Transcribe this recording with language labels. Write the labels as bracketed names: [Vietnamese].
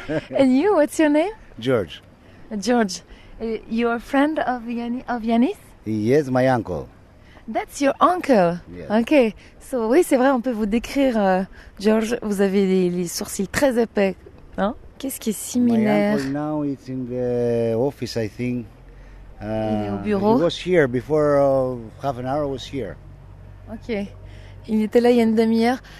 [English] And you, what's your name? George. George. You're a friend of Yanis? Yes, my uncle. That's your uncle. Yes. Okay. [French] So, oui, c'est vrai, on peut vous décrire, George, vous avez les sourcils très épais, hein? Qu'est-ce qui est similaire? [English] My uncle now is in the office, I think. [French] Il est au bureau. [English] He was here before half an hour. Was here. [French] Okay, il était là il y a une demi-heure.